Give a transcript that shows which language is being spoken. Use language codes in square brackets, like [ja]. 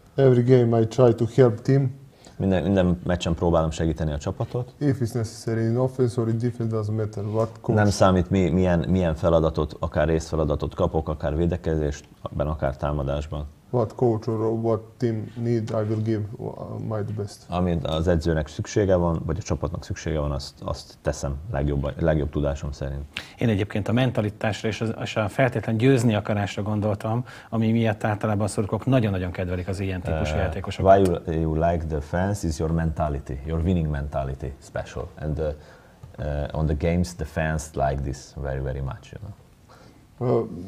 [en] Every game I try to help team. [hu] Minden meccsen próbálom segíteni a csapatot. [en] If it's necessary in offense or in defense, doesn't matter what coach. [hu] Nem számít, milyen feladatot, akár részfeladatot kapok, akár védekezésben, akár támadásban. [en] What coach or what team need, I will give my best. [hu] Amint az edzőnek szüksége van, vagy a csapatnak szüksége van, azt teszem legjobb tudásom szerint. Én egyébként a mentalitásra és a feltétlen győzni akarásra gondoltam, ami miatt általában a szurkok nagyon-nagyon kedvelik az ilyen típusú játékosokat. [en] Why you like the fans is your mentality, your winning mentality special. And on the games, the fans like this very, very much, you know.